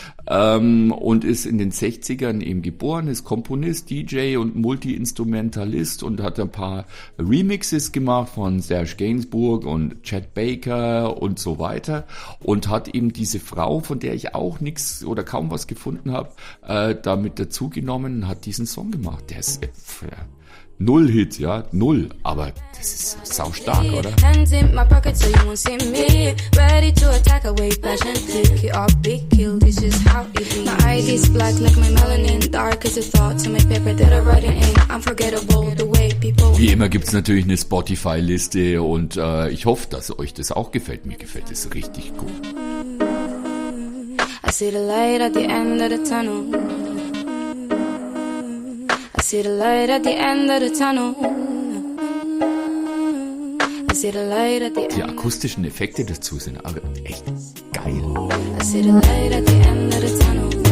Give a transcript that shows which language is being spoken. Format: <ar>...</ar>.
<de>Und ist in den 60ern eben geboren, ist Komponist, DJ und Multi-Instrumentalist und hat ein paar Remixes gemacht von Serge Gainsbourg und Chet Baker und so weiter. Und hat eben diese Frau, von der ich auch nichts oder kaum was gefunden habe, damit dazugenommen und hat diesen Song gemacht. Der ist null Hit, ja, null. Aber das ist sau stark, oder?</de> <en>Hands in my pocket so you won't see me. Ready to attack away passionately. I'll be killed, this is how it be. My eyes is black like my melanin. Dark as a thought to my paper that I'm writing in. Unforgettable the way people.</en> <de>Wie immer gibt's natürlich eine Spotify-Liste und ich hoffe, dass euch das auch gefällt. Mir gefällt es richtig gut.</de> <en>I see the light at the end of the tunnel. I see the light at the end of the tunnel. I see the light at the end.</en> <de>Die akustischen Effekte dazu sind aber echt geil.</de> <en>I see the light at the end of the tunnel.</en>